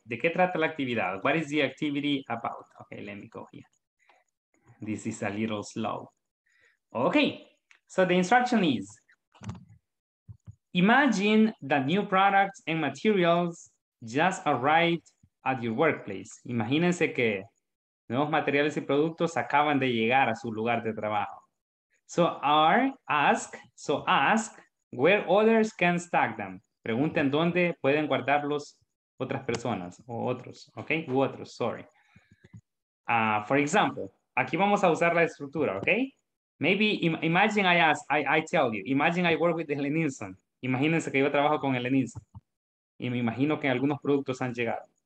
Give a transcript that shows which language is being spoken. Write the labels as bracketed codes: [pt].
[es] ¿De qué trata la actividad? [en] What is the activity about? Okay, let me go here. This is a little slow. Okay, so the instruction is, imagine that new products and materials just arrived at your workplace. [es] Imagínense que nuevos materiales y productos acaban de llegar a su lugar de trabajo. [en] So ask where others can stack them. [es] Pregunten dónde pueden guardarlos otras personas o otros, okay? U otros, sorry. [en] For example, [es] aquí vamos a usar la estructura, okay? [en] Maybe imagine I tell you, imagine I work with Helenilson. [es] Imagínense que yo trabajo con Helenilson. Y me imagino que algunos productos han llegado.